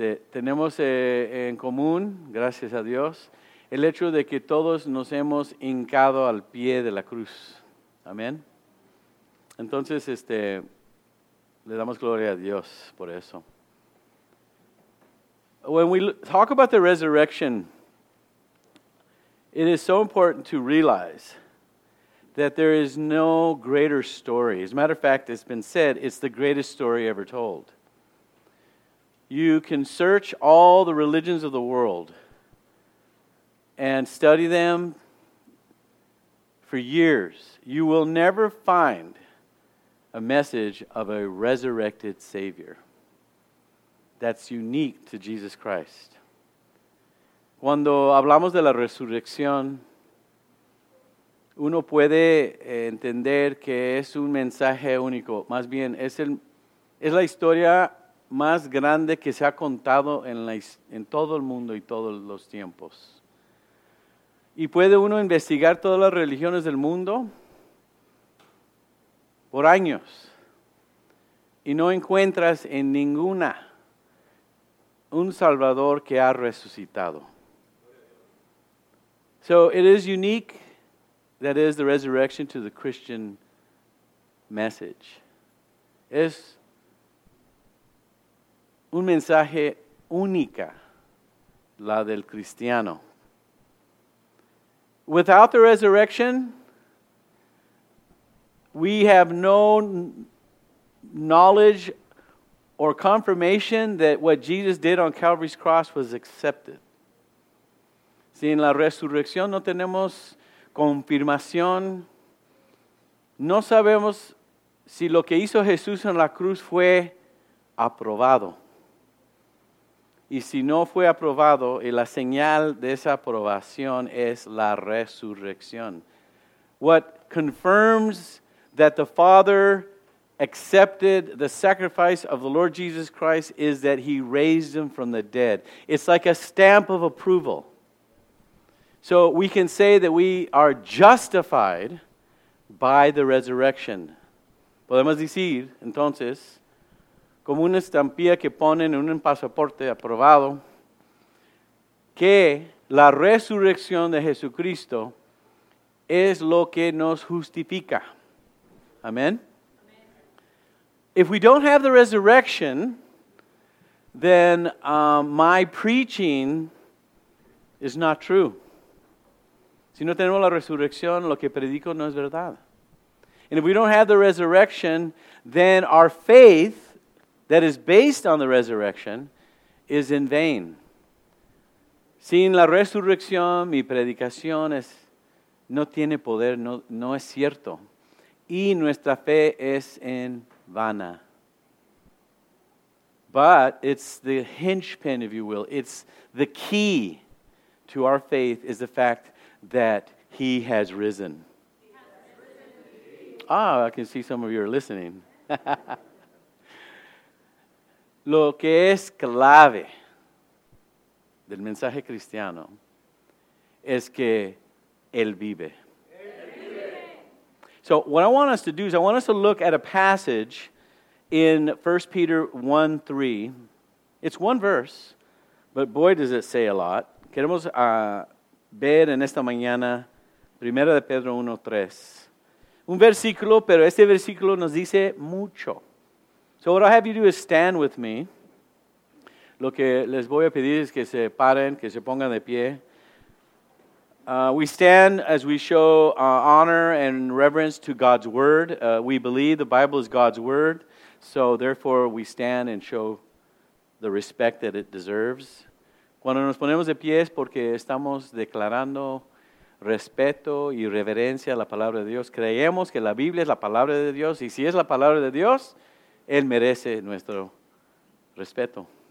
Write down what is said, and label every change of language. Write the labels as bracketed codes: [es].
[es] Tenemos en común, gracias a Dios, el hecho de que todos nos hemos hincado al pie de la cruz. Amén. Entonces, le damos gloria a Dios por eso. [en] When we talk about the resurrection, it is so important to realize that there is no greater story. As a matter of fact, it's been said, it's the greatest story ever told. You can search all the religions of the world and study them for years. You will never find a message of a resurrected Savior that's unique to Jesus Christ. [es] Cuando hablamos de la resurrección, uno puede entender que es un mensaje único. Más bien, es la historia más grande que se ha contado en todo el mundo y todos los tiempos. Y puede uno investigar todas las religiones del mundo por años y no encuentras en ninguna un Salvador que ha resucitado. [en] So it is unique, that is the resurrection to the Christian message. [es] Es un mensaje única, la del cristiano. [en] Without the resurrection, we have no knowledge or confirmation that what Jesus did on Calvary's cross was accepted. [es] Sin la resurrección no tenemos confirmación. No sabemos si lo que hizo Jesús en la cruz fue aprobado. Y si no fue aprobado, y la señal de esa aprobación es la resurrección. [en] What confirms that the Father accepted the sacrifice of the Lord Jesus Christ is that He raised Him from the dead. It's like a stamp of approval. So we can say that we are justified by the resurrection. [es] Podemos decir, entonces, como una estampilla que ponen en un pasaporte aprobado, que la resurrección de Jesucristo es lo que nos justifica. Amén. [en] If we don't have the resurrection, then my preaching is not true. [es] Si no tenemos la resurrección, lo que predico no es verdad. [en] And if we don't have the resurrection, then our faith that is based on the resurrection, is in vain. [es] Sin la resurrección, mi predicación no tiene poder, no es cierto. Y nuestra fe es en vana. [en] But it's the hinge pin, if you will. It's the key to our faith is the fact that He has risen. Ah, I can see some of you are listening. [es] Lo que es clave del mensaje cristiano es que Él vive. Él vive. [en] So what I want us to do is I want us to look at a passage in 1 Peter 1:3, it's one verse, but boy, does it say a lot. [es] Queremos ver en esta mañana, 1 Pedro 1:3, un versículo, pero este versículo nos dice mucho. [en] So what I'll have you do is stand with me. [es] Lo que les voy a pedir es que se paren, que se pongan de pie. [en] We stand as we show honor and reverence to God's Word. We believe the Bible is God's Word, so therefore we stand and show the respect that it deserves. [es] Cuando nos ponemos de pie es porque estamos declarando respeto y reverencia a la Palabra de Dios. Creemos que la Biblia es la Palabra de Dios, y si es la Palabra de Dios, Él merece nuestro respeto.